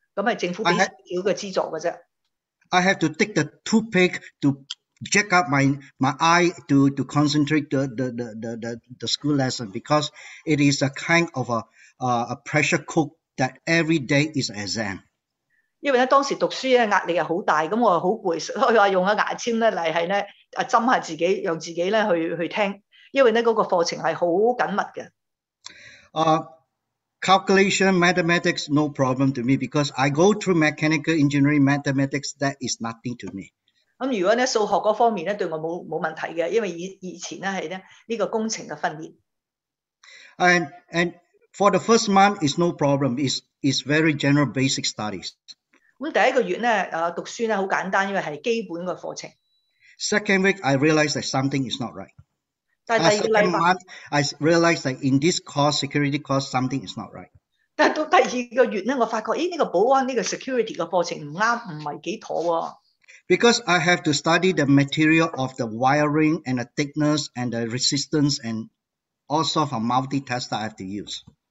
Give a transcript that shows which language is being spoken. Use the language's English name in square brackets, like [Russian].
[Cantonese] 咁係政府俾少嘅資助嘅啫。 [English] I have to take the toothpick to jack up my eye to concentrate the school lesson because it is a kind of a pressure cook that every day is an exam. [Cantonese] 因為咧，當時讀書咧壓力又好大，咁我好攰，所以話用個牙籤咧嚟係咧。啊！針下自己，讓自己咧去聽，因為咧嗰個課程係好緊密嘅。 [English] Calculation, mathematics, no problem to me because I go through mechanical engineering, mathematics. That is nothing to me. [Cantonese] 咁如果咧數學嗰方面咧對我冇問題嘅，因為以前咧係咧呢個工程嘅訓練。 [English] And for the first month is no problem. Is very general basic studies. [Cantonese] 咁第一個月咧，讀書咧好簡單，因為係基本嘅課程。 [English] Second week, I realized that something is not right. Second month, I realized that in this course, security course, something is not right. [Cantonese] 但到第二個月咧，我發覺，這個保安這個security嘅課程唔啱，唔係幾妥喎。 [English] Because I have to study the material of the wiring and the thickness and the resistance and all sorts of multi-tests that I have to use.